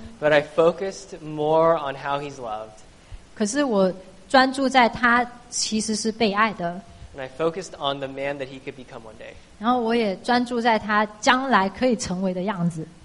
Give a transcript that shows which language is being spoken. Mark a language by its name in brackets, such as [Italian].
[English] But I focused more on how he's loved. [Chinese] 可是我专注在他其实是被爱的。 [English] And I focused on the man that he could become one day. [Chinese] 然后我也专注在他将来可以成为的样子。